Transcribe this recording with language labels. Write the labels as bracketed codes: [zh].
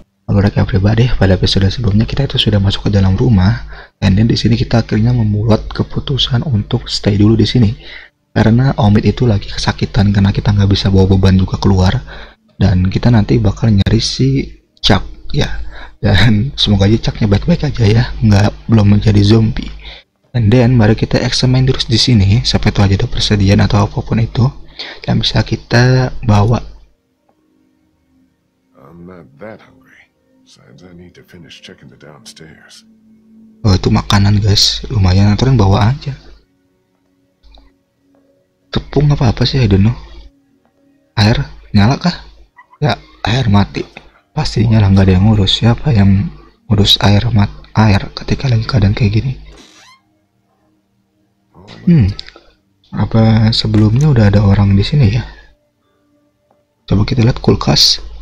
[id] Halo rekan pribadi, pada episode sebelumnya kita itu sudah masuk ke dalam rumah, and then di sini kita akhirnya membuat keputusan untuk stay dulu di sini karena Omid itu lagi kesakitan karena kita nggak bisa bawa beban juga keluar, dan kita nanti bakal nyari si Chuck ya, dan semoga aja Chucknya baik-baik aja ya, nggak belum menjadi zombie. And then mari kita eksamin terus di sini sampai tuh aja ada persediaan atau apapun itu yang bisa kita bawa. [en] I'm not that hungry. Besides, I need to finish checking the downstairs. [id] Oh, itu makanan guys, lumayan, atau yang bawa aja. Tepung apa apa sih, [en] I don't know. [id] Air nyala kah? Ya, air mati. Pastinya lah nggak ada yang ngurus. Siapa yang ngurus air mat air ketika lagi keadaan kayak gini? Apa sebelumnya udah ada orang di sini ya? Coba kita lihat kulkas.